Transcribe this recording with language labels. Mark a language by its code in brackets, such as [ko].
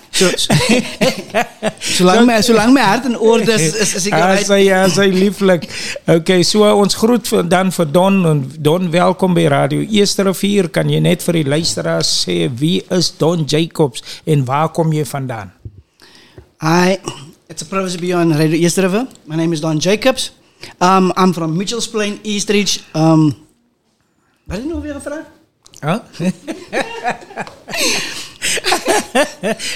[af] Solang my hart in orde is ek uit. Sy lieflik. Okay, so ons groet dan vir Don, en Don, welkom by Radio Eesterivier. Kan jy net vir die luisteraars sê, wie is Don Jacobs en waar kom jy vandaan? [en] Hi, it's a privilege to be on Radio East River. My name is Don Jacobs. I'm from Mitchell's Plain, Eastridge. [af] Wat is nou weer een vraag?